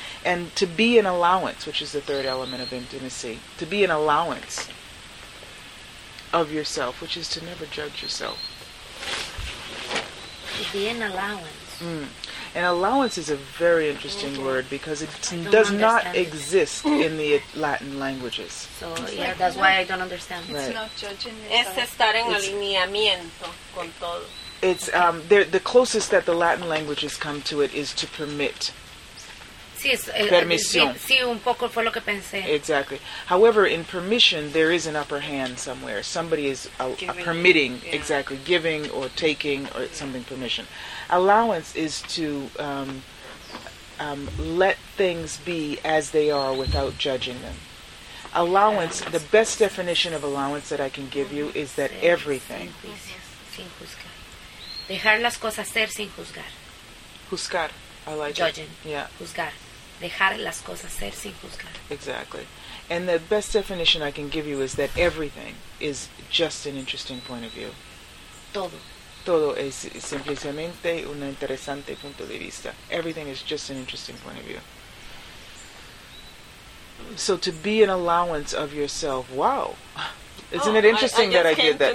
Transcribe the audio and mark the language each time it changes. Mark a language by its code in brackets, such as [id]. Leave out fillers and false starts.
[en] And to be an allowance, which is the third element of intimacy, to be an allowance of yourself, which is to never judge yourself. To be an allowance. Mm. And allowance is a very interesting mm-hmm. word because it does not exist in the Latin languages. So, it's yeah, like, that's why I don't understand. It's right. not judging yourself. [es] Es estar en alineamiento con todo. [en] It's okay. The closest that the Latin languages come to it is to permit. Permission. [es] Sí, un poco fue lo que pensé. [en] Exactly. However, in permission, there is an upper hand somewhere. Somebody is a permitting, yeah. exactly, giving or taking or yeah. something permission. Allowance is to let things be as they are without judging them. Allowance, the best definition of allowance that I can give you is that everything. [es] Sin juzgar. Dejar las cosas ser sin juzgar. Juzgar. [en] I like judging. It. Yeah. [es] Juzgar. Dejar las cosas ser sin juzgar. [en] Exactly. And the best definition I can give you is that everything is just an interesting point of view. [es] Todo. Todo es simplemente un interesante punto de vista. [en] Everything is just an interesting point of view. So to be an allowance of yourself, wow. Isn't it interesting that I did that?